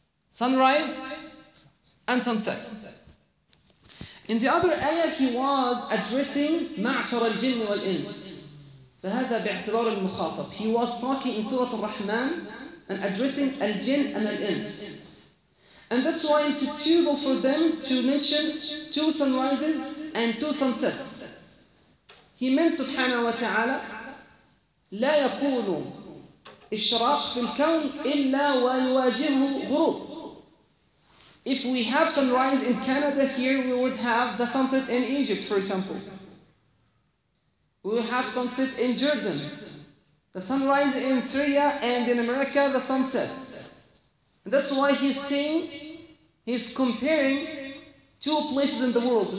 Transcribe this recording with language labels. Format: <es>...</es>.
<en>Sunrise and sunset. In the other ayah, he was addressing ma'ashara al-jinn wal-ins.</en> <ar>فَهَذَا بِاعْتِبَارِ الْمُخَاطَبِ.</ar> <en>He was talking in Surah Al-Rahman and addressing al-jinn and al-ins. And that's why it's suitable for them to mention two sunrises and two sunsets. He meant,</en> <ar>subhanahu wa ta'ala, لَا يَكُونُ إِشْرَاقُ فِي الْكَوْنِ إِلَّا وَيُوَاجِهُ غُرُوبُ.</ar> <en>If we have sunrise in Canada here, we would have the sunset in Egypt, for example. We would have sunset in Jordan, the sunrise in Syria, and in America, the sunset. And that's why he's saying, he's comparing two places in the world.</en>